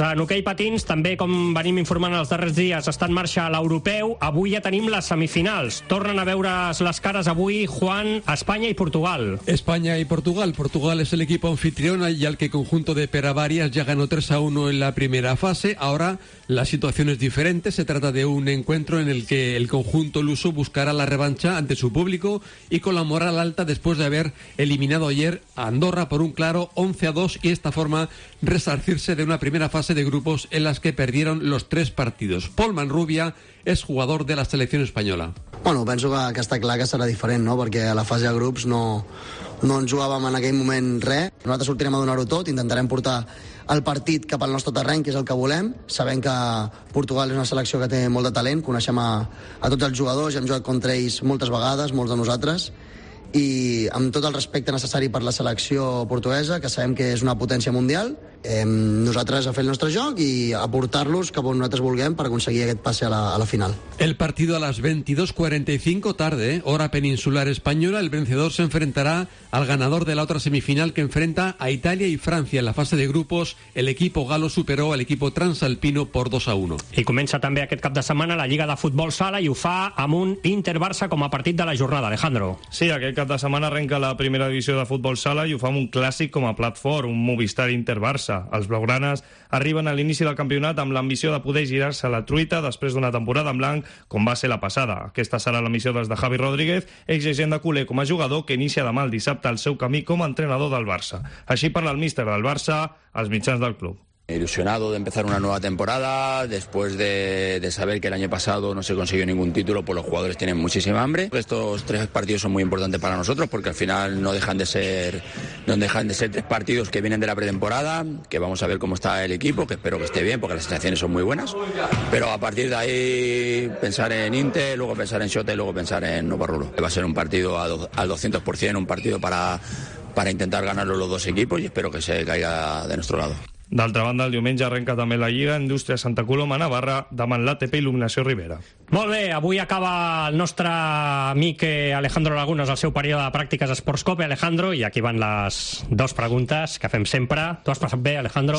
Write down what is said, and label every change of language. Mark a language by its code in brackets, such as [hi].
[ca] En hoquei patins, també com venim informant els darrers dies, està en marxa l'europeu. Avui ja tenim les semifinals. Tornen a veure's les cares avui, Juan, Espanya i Portugal. Espanya i Portugal. Portugal és l'equip anfitriona i [es] el que conjunto de Pere Varias ja ganó 3-1 en la primera fase. Ahora la situación es diferente. Se trata de un encuentro en el que el conjunto luso buscará la revancha ante su público y con la moral alta después de haber eliminado ayer a Andorra por un claro 11-2 y de esta forma resarcirse de una primera fase de grupos en las que perdieron los 3 partidos. [ca] Pol Manrubia és jugador de la selecció espanyola. Bueno, penso que està clar que serà diferent, no? Perquè a la fase de grups no ens jugàvem en aquell moment res. Nosaltres sortirem a donar-ho tot, intentarem portar el partit cap al nostre terreny, que és el que volem. Sabem que Portugal és una selecció que té molt de talent, coneixem a tots els jugadors, ja hem jugat contra ells moltes vegades, molts de nosaltres, i amb tot el respecte necessari per la selecció portuguesa, que sabem que és una potència mundial, nosaltres a fer el nostre joc i a portar-los cap on nosaltres vulguem per aconseguir aquest passe a la final. [es] El partido a las 22:45 tarde, hora peninsular española. El vencedor se enfrentará al ganador de la otra semifinal, que enfrenta a Italia y Francia en la fase de grupos. El equipo galo superó al equipo transalpino por 2-1. [ca] I comença també aquest cap de setmana la Lliga de Futbol Sala i ho fa amb un Inter-Barça com a partit de la jornada. Alejandro. Sí, aquest cap de setmana arrenca la primera divisió de Futbol Sala i ho fa amb un clàssic com a plat fort, un Movistar Inter-Barça. Els blaugranes arriben a l'inici del campionat amb l'ambició de poder girar-se la truita després d'una temporada en blanc, com va ser la passada. Aquesta serà la missió dels de Javi Rodríguez, exigent de culer com a jugador, que inicia demà el dissabte el seu camí com a entrenador del Barça. Així parla el míster del Barça als mitjans del club. [es] Ilusionado de empezar una nueva temporada, después de saber que el año pasado no se consiguió ningún título, pues los jugadores tienen muchísima hambre. Estos 3 partidos son muy importantes para nosotros, porque al final no dejan de ser 3 partidos que vienen de la pretemporada, que vamos a ver cómo está el equipo, que espero que esté bien, porque las sensaciones son muy buenas. Pero a partir de ahí, pensar en Inter, luego pensar en Xhota y luego pensar en Novarrulo. Va a ser un partido al 200%, un partido para intentar ganarlo los dos equipos, y espero que se caiga de nuestro lado. [ca] D'altra banda, el diumenge arrenca també la Lliga Indústria Santa Coloma, Navarra, davant l'ATP Il·luminació Rivera. Molt bé, avui acaba el nostre amic Alejandro Lagunas el seu període de pràctiques Esports Cope. Alejandro, i aquí van les 2 preguntes que fem sempre. Tu has passat bé, Alejandro?